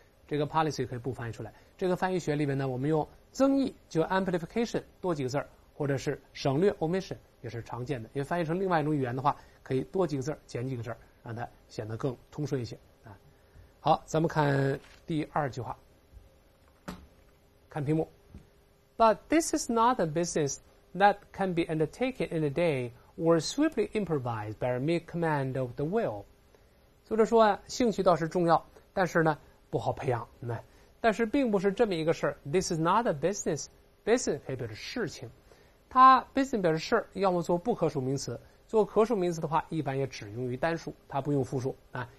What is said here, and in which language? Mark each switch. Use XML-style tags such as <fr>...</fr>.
<zh>这个 policy 可以不翻译出来，这个翻译学里面呢，我们用增益就 amplification 多几个字，或者是省略 omission 也是常见的，因为翻译成另外一种语言的话，可以多几个字减几个字，让它显得更通顺一些啊。好，咱们看第二句话，看屏幕。</zh> <en>But this is not a business that can be undertaken in a day or swiftly improvised by a mere command of the will.</en> <zh>作者说啊，兴趣倒是重要，但是呢不好培养，但是并不是这么一个事儿。</zh> <en>This is not a business. Business</en> <zh>可以表示事情，它 business 表示事儿，要么做不可数名词，做可数名词的话，一般也只用于单数，它不用复数啊。</zh>